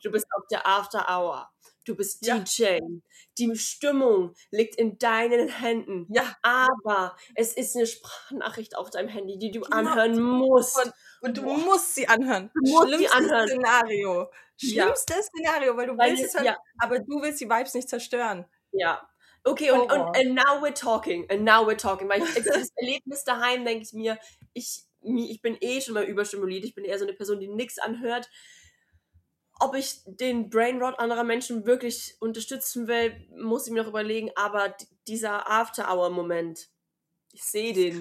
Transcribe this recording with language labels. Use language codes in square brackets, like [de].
[de] Du bist auf der After Hour. Du bist DJ. Ja. Die Stimmung liegt in deinen Händen. Ja. Aber es ist eine Sprachnachricht auf deinem Handy, die du anhören musst. Und du musst sie anhören. Szenario. Schlimmstes Szenario, weil du willst es hören, aber du willst die Vibes nicht zerstören. Ja. [en] Okay, and now we're talking. And now we're talking. [de] Weil ich das Erlebnis daheim denke ich mir, ich bin eh schon mal überstimuliert. Ich bin eher so eine Person, die nichts anhört. Ob ich den Brainrot anderer Menschen wirklich unterstützen will, muss ich mir noch überlegen. Aber dieser After-Hour-Moment, ich sehe den.